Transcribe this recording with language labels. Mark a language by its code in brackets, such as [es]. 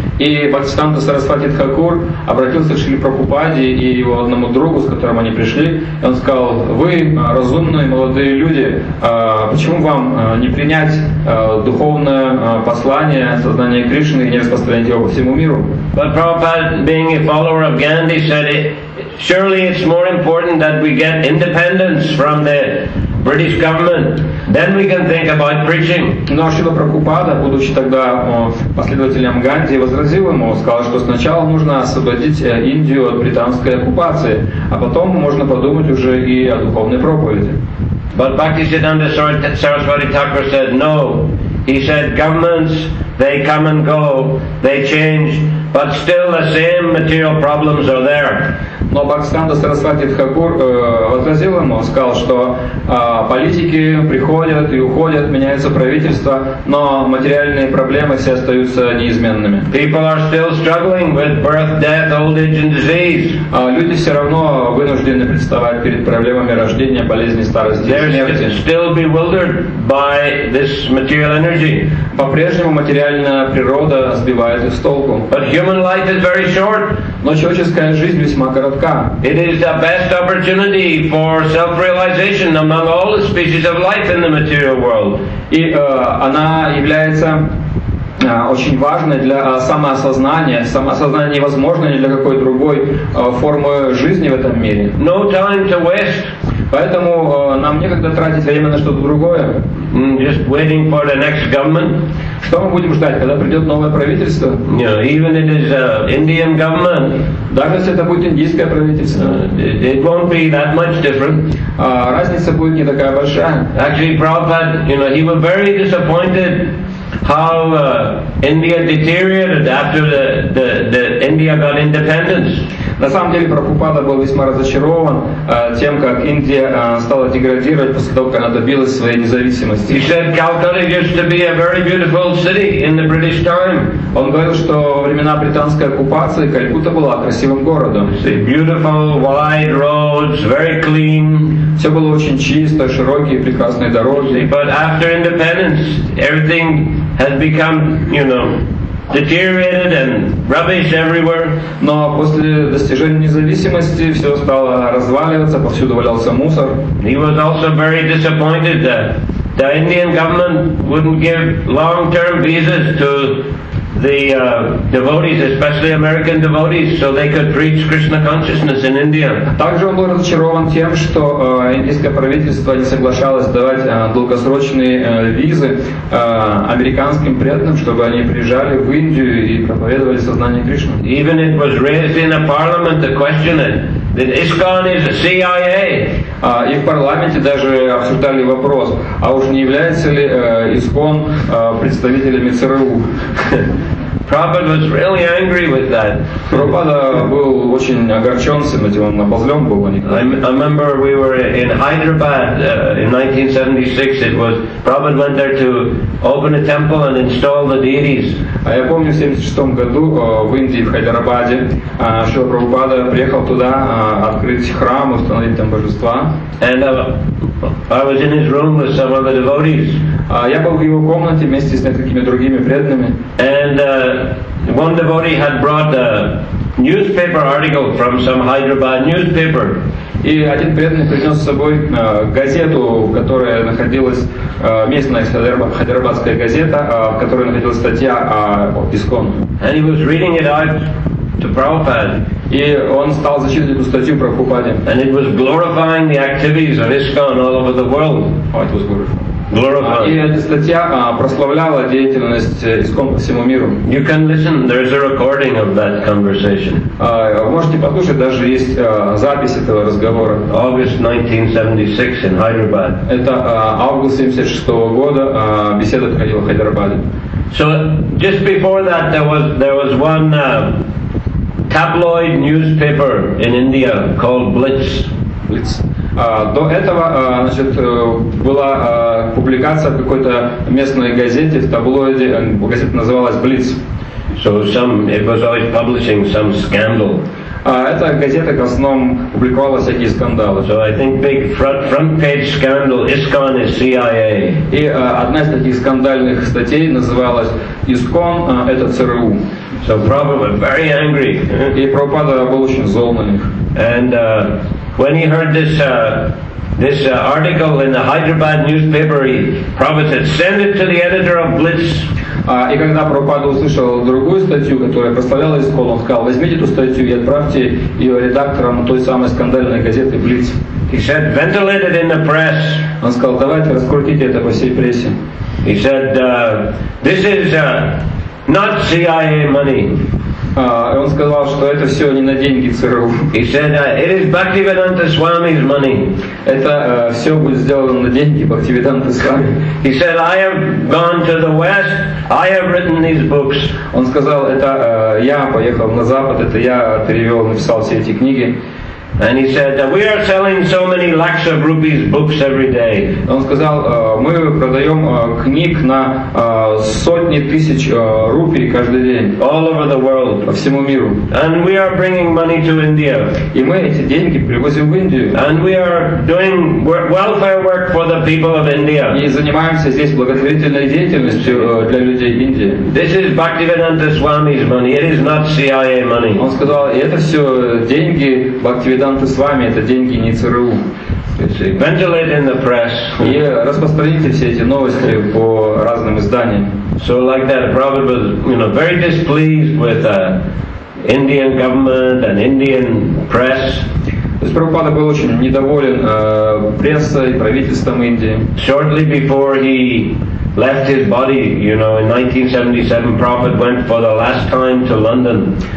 [ru] И Бхактисиддханта Сарасвати Тхакур обратился к Шриле Прабхупаде и его одному другу, с которым они пришли, и он сказал: "Вы разумные молодые люди, почему вам не принять духовное послание сознания Кришны и не распространить его по всему миру?" [en] But Prabhupada, being a follower of Gandhi, said, "Surely it's more important that we get independence from the British government, then we can think about preaching." [ru] Но Шрила Прабхупада, будучи тогда последователем Ганди, возразил ему, сказал, что сначала нужно освободить Индию от британской оккупации, а потом можно подумать уже и о духовной проповеди. [en] But Bhaktisiddhanta Saraswati Thakur said no. He said, "Governments, they come and go, they change, but still the same material problems are there." [ru] Но Бхактисиддханта Сарасвати Тхакур возразил ему, сказал, что политики приходят и уходят, меняются правительства, но материальные проблемы все остаются неизменными. [en] People are still struggling with birth, death, old age and disease. [ru] Люди все равно вынуждены представать перед проблемами рождения, болезни, старости, смерти. [en] They're still bewildered by this material energy. [ru] По-прежнему материальная природа сбивает их с толку. [en] But human life is very short. [ru] Но человеческая жизнь весьма коротка. [en] It is the best opportunity for self-realization among all the species of life in the material world. [ru] И она является очень важной для самоосознания. Самоосознание невозможно ни для какой другой формы жизни в этом мире. [en] No time to waste. [ru] Поэтому нам некогда тратить время на что-то другое. [en] Just waiting for the next government. [ru] Что мы будем ждать, когда придет новое правительство? [en] Yeah, even it is Indian government. [ru] Даже если это будет индийское правительство. [en] It won't be that much different. [ru] Разница будет не такая большая. [en] Actually, Prabhupada, you know, he was very disappointed how India deteriorated after the India got independence. [ru] На самом деле Прабхупада был весьма разочарован тем, как Индия стала деградировать после того, как она добилась своей независимости. [en] He said Calcutta used to be a very beautiful city in the British time. [ru] Он говорил, что во времена британской оккупации Калькутта была красивым городом. [en] Beautiful wide roads, very clean. [ru] Все было очень чисто, широкие, прекрасные дороги. [en] But after independence, everything has become, you know, deteriorated and rubbish everywhere. [ru] Но после достижения независимости все стало разваливаться, повсюду валялся мусор. [en] He was also very disappointed that the Indian government wouldn't give long-term visas to the devotees, especially American devotees, so they could preach Krishna consciousness in India. [ru] Также он был разочарован тем, что индийское правительство не соглашалось давать долгосрочные визы американским преданным, чтобы они приезжали в Индию и проповедовали сознание Кришны. [en] Even it was raised in a parliament, the question that ISKCON is a CIA. [ru] И в парламенте даже обсуждали вопрос, а уж не является ли ИСККОН представителями ЦРУ? [en] Prabhupada was really angry with that. [ru] Прабхупада был очень огорчен с этим, он обозлен был. [en] I remember we were in Hyderabad in 1976. It was Prabhupada went there to open a temple and install the deities. [ru] А я помню, в 76 году в Индии, в Хайдарабаде, что Прабхупада приехал туда открыть храм, установить там божества. [en] And I was in his room with some other devotees. [ru] Я был в его комнате вместе с несколькими другими преданными. [en] And one devotee had brought a newspaper article from some Hyderabad newspaper. [ru] И один преданный принес с собой газету, которая находилась местная хайдарабадская газета, в которой находилась статья о ИСККОН. [en] And he was reading it out to Prabhupada. [ru] И он стал зачитывать эту статью Прабхупаде. [en] And it was glorifying the activities of ISKCON all over the world. Oh, it was glorifying. Glorified. [ru] И эта статья прославляла деятельность искон по всему миру. [en] You can listen. There is a recording of that conversation. [ru] Можете послушать, даже есть запись этого разговора. [en] August 1976 in Hyderabad. [ru] Это август 76 года, беседа проходила в Хайдарабаде. [en] So just before that there was one tabloid newspaper in India called Blitz. [ru] До этого, значит, была публикация в какой-то местной газете, в таблоиде, газета называлась Blitz. [en] So it was always publishing some scandal. [ru] Эта газета в основном публиковала всякие скандалы. [en] So I think big front page scandal, ISKCON is CIA. [ru] И одна из таких скандальных статей называлась ISKCON это ЦРУ. [en] So Prabhupada was very angry. [ru] И Прабхупада был очень зол на них. [en] And when he heard this article in the Hyderabad newspaper, Prabhupada said, send it to the editor of Blitz. [ru] И когда Прабхупада услышал другую статью, которая прославляла ИСККОН, он сказал, возьмите эту статью и отправьте ее редакторам той самой скандальной газеты Blitz. [en] He said, ventilate it in the press. [ru] Он сказал, давайте раскрутите это по всей прессе. [en] He said, this is not CIA money. [ru] Он сказал, что это все не на деньги ЦРУ. [en] He said, it is Bhaktivedanta Swami's money. [ru] Это все будет сделано на деньги Бхактивиданты Свами. [en] He said, I have gone to the West. I have written these books. [ru] Он сказал, это я поехал на Запад, это я перевел, написал все эти книги. [en] And he said, we are selling so many lakhs of rupees books every day. [ru] Он сказал, мы продаем книг на сотни тысяч рупий каждый день. [en] All over the world. [ru] По всему миру. [en] And we are bringing money to India. [ru] И мы эти деньги привозим в Индию. [en] And we are doing welfare work for the people of India. [ru] И занимаемся здесь благотворительной деятельностью для людей Индии. [en] This is Bhaktivedanta Swami's money. It is not CIA money. [ru] Он сказал, это все деньги Бхактивед с вами, это деньги не ЦРУ. [en] Ventilate in the press. [ru] И распространите все эти новости по разным изданиям. [en] So like that, Prabhupada was, you know, very displeased with Indian government and Indian press. [ru] То есть Прабхупада был очень недоволен прессой, правительством Индии. [en] Shortly before he left his body, you know, in 1977, Prabhupada went for the last time to London.